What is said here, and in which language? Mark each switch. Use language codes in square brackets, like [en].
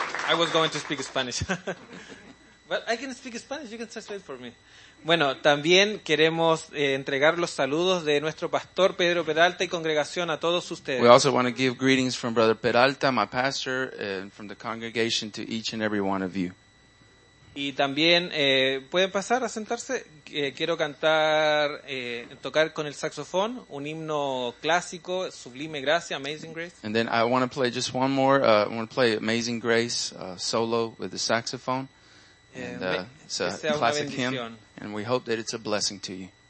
[en] I was going to speak Spanish. But I can speak Spanish, you can translate for me. [es] Bueno, también queremos entregar los saludos de nuestro pastor Pedro Peralta y congregación a todos ustedes. [en] We also want to give greetings from Brother Peralta, my pastor, and from the congregation to each and every one of you. [es] Y también pueden pasar a sentarse. Quiero cantar, tocar con el saxofón un himno clásico, Sublime Gracia, Amazing Grace. [en] And then I want to play just one more. I want to play Amazing Grace solo with the saxophone. And it's a classic hymn, and we hope that it's a blessing to you.